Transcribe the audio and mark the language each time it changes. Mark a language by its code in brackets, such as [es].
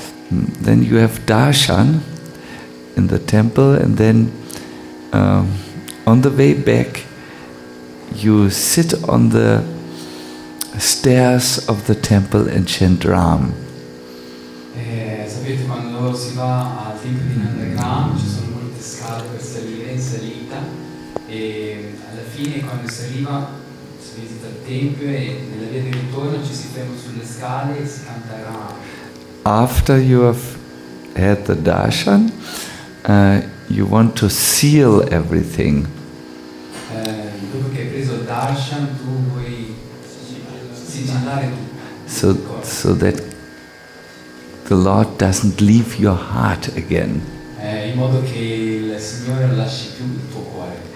[en] Then you have darshan in the temple, and then on the way back, you sit on the stairs of the temple in Chandram. [it] Sapete, quando si va al tempio di Nandagram ci sono molte scale per salire in salita, e alla fine, quando si arriva, si visita il tempio e nella via di ritorno ci si ferma sulle scale e si canta Ram. [en] After you have had the darshan, you want to seal everything. [it] Dopo che hai preso il darshan, tu vuoi sigillare tutto. [en] So that the Lord doesn't leave your heart again. [it] In modo che il Signore lasci più il tuo cuore.